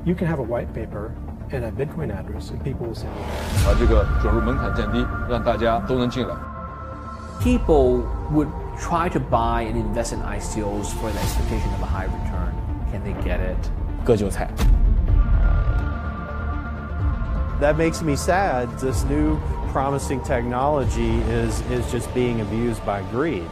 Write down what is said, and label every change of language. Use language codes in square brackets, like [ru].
[en] You can have a white paper and a Bitcoin address, and people will say, [zh] 把这个准入门槛降低，让大家都能进来。 [en] People would try to buy and invest in ICOs for the expectation of a high return. Can they get it? [zh] 割韭菜。 [en] That makes me sad. This new promising technology is just being abused by greed.